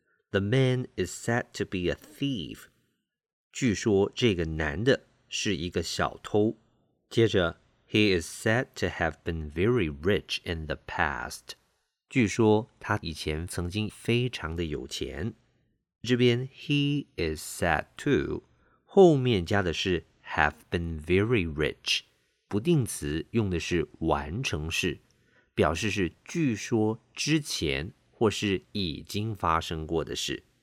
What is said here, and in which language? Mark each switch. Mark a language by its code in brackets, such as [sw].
[en] The man is said to be a thief. [zh] 据说这个男的是一个小偷。接着 [en] He is said to have been very rich in the past. [zh] 据说他以前曾经非常的有钱。这边 [en] He is said to [zh] 后面加的是 [en] have been very rich. [zh] 不定词用的是完成式，表示是据说之前或是已经发生过的事。